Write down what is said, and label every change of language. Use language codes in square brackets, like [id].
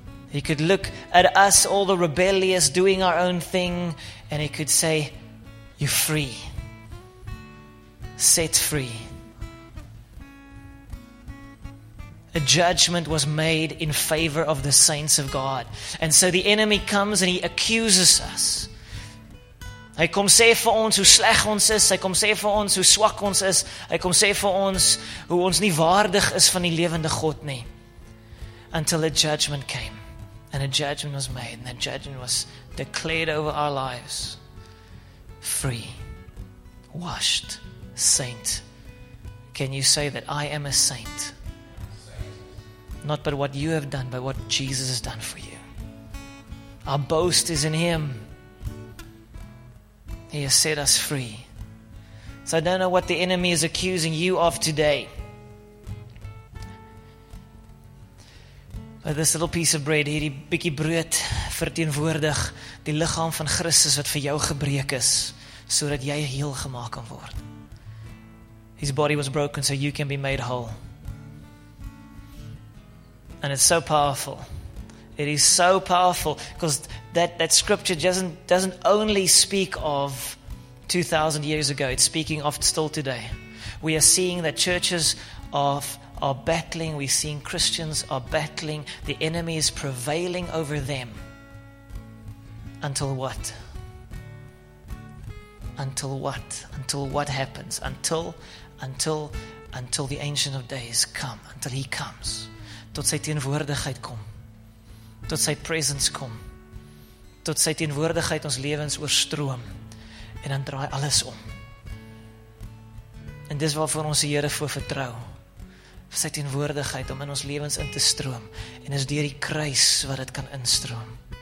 [en] He could look at us, all the rebellious, doing our own thing, and he could say, you're free. Set free. A judgment was made in favor of the saints of God. And so the enemy comes and he accuses us. [af] Hy kom sê vir ons hoe sleg ons is. Hy kom sê vir ons hoe swak ons is. Hy kom sê vir ons hoe ons nie waardig is van die lewende God nie. [en] Until a judgment came. And a judgment was made. And that judgment was declared over our lives. Free. Washed. Saint. Can you say that I am a saint? Not by what you have done, but what Jesus has done for you. Our boast is in Him. He has set us free. So I don't know what the enemy is accusing you of today. But this little piece of bread, [af] hierdie bietjie brood, verteenwoordig die liggaam van Christus wat vir jou gebreek is, sodat jy heel gemaak kan word. [en] His body was broken so you can be made whole. And it's so powerful. It is so powerful because that scripture doesn't only speak of 2,000 years ago. It's speaking of still today. We are seeing that churches are battling. We're seeing Christians are battling. The enemy is prevailing over them. Until what? Until what? Until what happens? Until the Ancient of Days come. Until he comes. [af] Tot sy teenwoordigheid kom. Tot sy presence kom. Tot sy teenwoordigheid ons lewens oorstroom. En dan draai alles om. En dis waarvoor ons die Here voor vertrou. Vir sy teenwoordigheid om in ons lewens in te stroom. En is deur die kruis wat dit kan instroom.